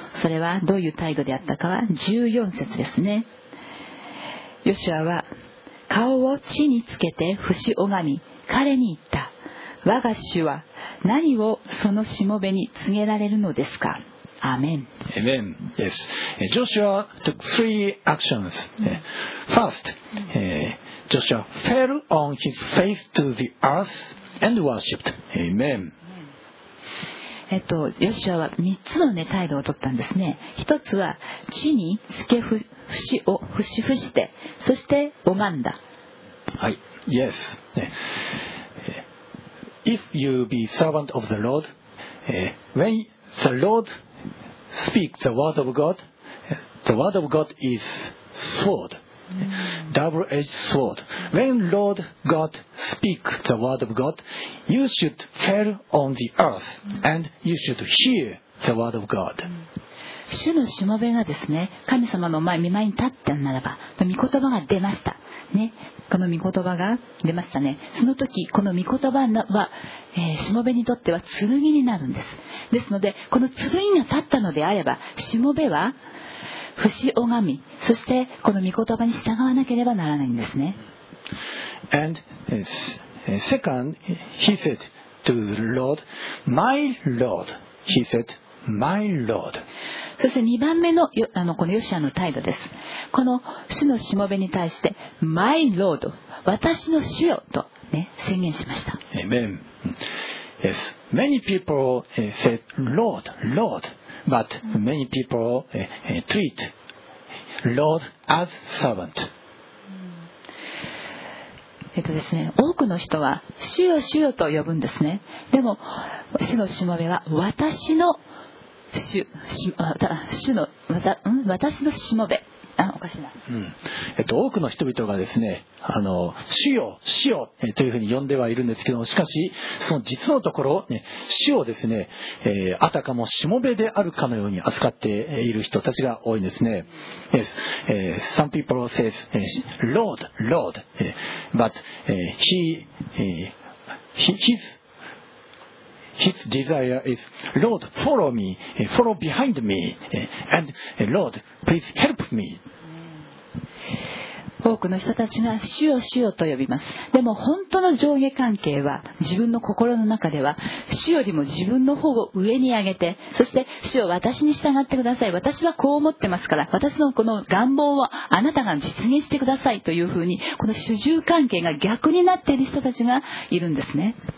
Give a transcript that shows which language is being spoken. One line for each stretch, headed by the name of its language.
Japanese: それはどういう態度であったかは14節ですね。ヨシュアは顔を地につけて伏し拝み、彼に言った。我が主は何をそのしもべに告げられるのですか。アメン。
English: アメン。Yes. Joshua took three actions. First, Joshua fell on his face to the earth and worshipped. Amen.
Japanese: ヨシュアは三つの、ね、態度を取ったんですね。一つは地につけ伏して、そして拝んだ。はい。
English: Yes. If you be servant of the Lord, when the Lord speak the word of God, the word of God is sword. Double-edged sword. When Lord God speak the word of God, you should fall on the earth and you should hear the word of God.
Japanese: 主のしもべがですね、神様の前見舞いに立ったならば、御言葉が出ましたね。この御言葉が出ましたね。その時この御言葉はしもべにとっては剣になるんです。ですのでこの剣が立ったのであれば、しもべは伏し拝み、そしてこの御言葉に従わなければならないんですね。
English: And second, he said to the Lord, My Lord, he said, My Lord.
Japanese: そして2番目 の, あのこのヨシアの態度です。この主のしもべに対して
English: My Lord,
Japanese: 私の主よと、ね、宣言しました。
English: Amen. Yes, many people said, Lord, Lord. But many people treat Lord as servant.
Japanese: ですね、多くの人は主よ主よと呼ぶんですね。でも主のしもべは私の主のしもべ。あ、おかしいな。多くの人々がですね、主よ主よというふうに呼んではいるんですけども、しかしその実のところ、ね、主をですね、あたかもしもべであるかのように扱っている人たちが多いんですね。
English: Yes. Some people says Lord, Lord, but his desire is Lord, follow me, follow behind me, and Lord, please help me.
Japanese: 多くの人たちが主よ主よと呼びます。でも本当の上下関係は、自分の心の中では主よりも自分の方を上に上げて、そして主よ、私に従ってください、私はこう思ってますから、私のこの願望をあなたが実現してくださいというふうに、この主従関係が逆になっている人たちがいるんですね。